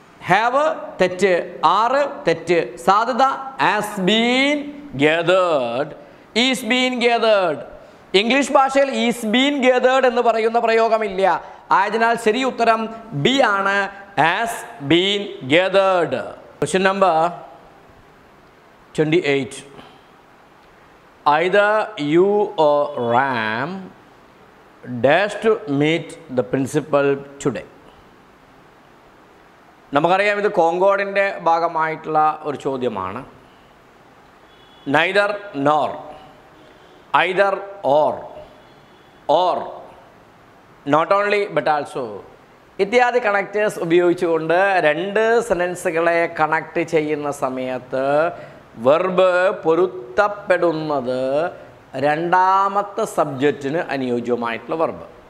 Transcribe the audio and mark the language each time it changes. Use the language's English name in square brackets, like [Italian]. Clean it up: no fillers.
[English] have [Malayalam] തെറ്റ്, ആറ് തെറ്റ്, സാധ്യത. [English] Has been gathered, is been gathered. [Malayalam] English ഭാഷയിൽ [English] is been gathered [Malayalam] എന്ന് പറയുന്ന പ്രയോഗമില്ല. ആയതിനാൽ ശരിയ ഉത്തരം ബി ആണ്, [English] Has been gathered. Question number 28. Either you or Ram dares to meet the principal today. [Malayalam] നമുക്കറിയാം ഇത് കോങ്കോർഡിൻ്റെ ഭാഗമായിട്ടുള്ള ഒരു ചോദ്യമാണ്. [English] Neither nor, either or not only but also [Malayalam] ഇത്യാദി കണക്റ്റേഴ്സ് ഉപയോഗിച്ചുകൊണ്ട് രണ്ട് സെൻറ്റൻസുകളെ കണക്ട് ചെയ്യുന്ന സമയത്ത് വെർബ് പൊരുത്തപ്പെടുന്നത് രണ്ടാമത്തെ സബ്ജക്റ്റിന് അനുയോജ്യമായിട്ടുള്ള വെർബ്.